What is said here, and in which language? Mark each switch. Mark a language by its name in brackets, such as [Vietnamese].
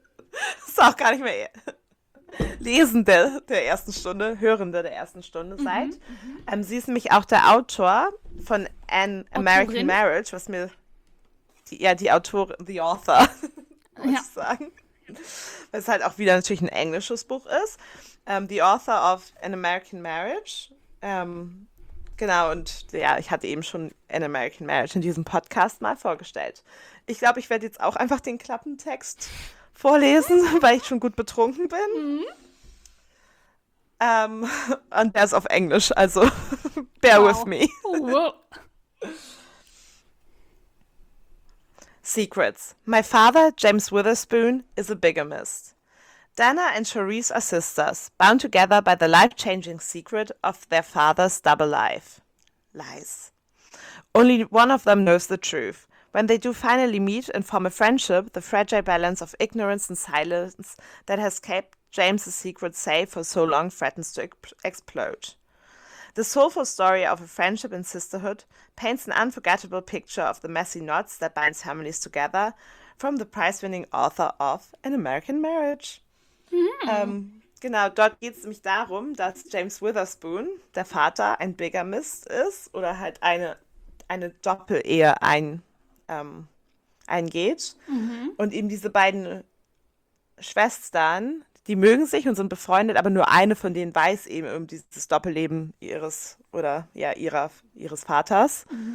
[German] Das ist auch gar nicht mehr Lesende der ersten Stunde, Hörende der ersten Stunde seid. Mhm, sie ist nämlich auch der Autor von An American Autorin. Marriage, was mir die, ja, die Autorin, [English] the author, [German] muss ja. ich sagen. Weil es halt auch wieder natürlich ein englisches Buch ist. [English] The author of An American Marriage. [German] Genau, und ja, ich hatte eben schon An American Marriage in diesem Podcast mal vorgestellt. Ich glaube, ich werde jetzt auch einfach den Klappentext vorlesen, weil ich schon gut betrunken bin. Mhm. Und der ist auf Englisch, also [English] bear wow. with me. Wow. Secrets. My father, James Witherspoon, is a bigamist. Dana and Charisse are sisters, bound together by the life-changing secret of their father's double life. Lies. Only one of them knows the truth. When they do finally meet and form a friendship, the fragile balance of ignorance and silence that has kept James's secret safe for so long threatens to explode. The soulful story of a friendship and sisterhood paints an unforgettable picture of the messy knots that binds families together from the prize-winning author of An American Marriage. Mm. [German] Genau, dort geht es nämlich darum, dass James Witherspoon, der Vater, ein Bigamist ist oder halt eine eine Doppel-Ehe eingeht. Und eben diese beiden Schwestern, die mögen sich und sind befreundet, aber nur eine von denen weiß eben um dieses Doppelleben ihres oder ja ihres Vaters.